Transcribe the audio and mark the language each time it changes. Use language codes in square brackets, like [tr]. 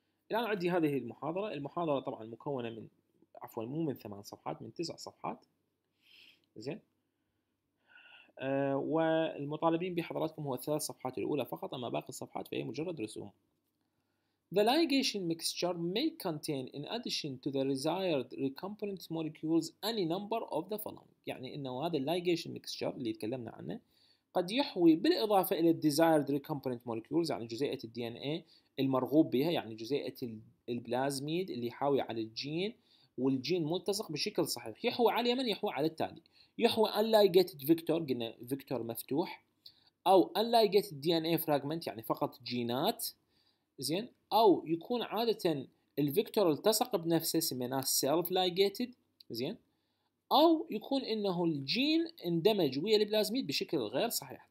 [ar] الان عندي هذه المحاضره، المحاضره طبعا مكونه من عفوا مو من ثمان صفحات، من تسع صفحات زين. والمطالبين بحضراتكم هو الثلاث صفحات الاولى فقط، اما باقي الصفحات فهي مجرد رسوم. [en] The ligation mixture may contain, in addition to the desired recombinant molecules, any number of the following. [ar] يعني إنه هذا ligation mixture اللي تكلمنا عنه قد يحوي بالإضافة إلى desired recombinant molecules يعني جزيئة الـ DNA المرغوب بها، يعني جزيئة البلازميد اللي يحاوي على الجين والجين ملتصق بشكل صحيح. يحوي على من؟ يحوي على التالي: يحوي unligated vector، قلنا vector مفتوح، أو unligated DNA fragment يعني فقط جينات زين، او يكون عاده الفيكتور التصق بنفسه سميناه سيلف ليجيتد زين، او يكون انه الجين اندمج ويا البلازميد بشكل غير صحيح.